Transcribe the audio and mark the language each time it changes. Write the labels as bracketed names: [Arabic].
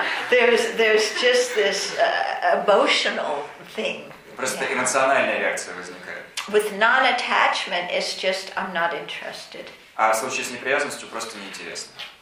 [English] There's just this emotional thing. [Russian] Просто эмоциональная реакция возникает. [English] With non-attachment, it's just I'm not interested. [Russian] А в случае с неприязанностью просто неинтересно.